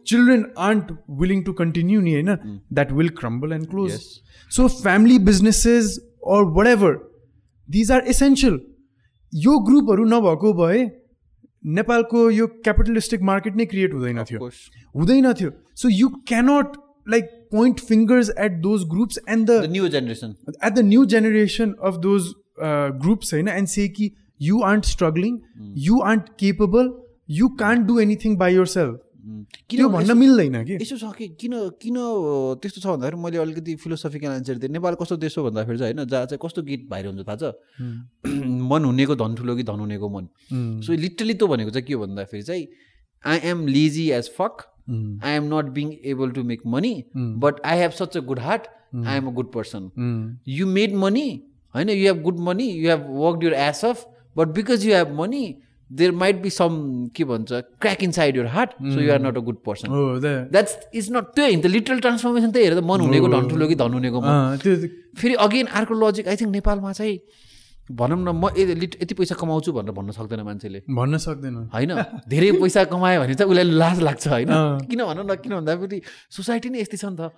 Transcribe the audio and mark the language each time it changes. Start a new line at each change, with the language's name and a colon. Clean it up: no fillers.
English: children aren't willing to continue नि होइन that will crumble and close so family businesses or whatever these are essential
Nepali: यो ग्रुपहरू नभएको भए नेपालको यो क्यापिटलिस्टिक मार्केट नै क्रिएट हुँदैन थियो
English: हुँदैन थियो so you cannot like point fingers at those groups and the new generation at the new generation of those groups
Nepali: hai na
English: and say ki you aren't struggling you aren't capable you can't do anything by yourself
Nepali: किन भन्न मिल्दैन कि यसो छ कि किन किन त्यस्तो छ भन्दाखेरि मैले अलिकति फिलोसफिकल एन्सर दिएँ. नेपाल कस्तो देश हो भन्दाखेरि चाहिँ होइन, जहाँ चाहिँ कस्तो गीत भाइर हुन्छ थाहा छ, मन हुनेको धन ठुलो कि धन हुनेको मन. सो लिटरली त्यो भनेको चाहिँ के हो भन्दाखेरि चाहिँ
English: I am lazy as fuck, I am not being able to make money, but I have such a good heart, I am a good person. You made money होइन, you have good money, you have work your ass off, but because you have money there might be some
Nepali: के भन्छ
English: Crack inside your heart, so you are not a good person. That's is not
Nepali: त्यो होइन, literal transformation त्यही हेरेर मन हुनेको ढङ ठुलो कि धन हुनेको. फेरि अगेन अर्को लजिक, आई थिङ्क नेपालमा चाहिँ भनौँ न म यति पैसा कमाउँछु भनेर भन्न सक्दैन मान्छेले, भन्न सक्दैन होइन. धेरै पैसा कमायो भने चाहिँ उसलाई लाज लाग्छ होइन, किन भन न, किन भन्दाखेरि सोसाइटी नै यस्तै छ नि त.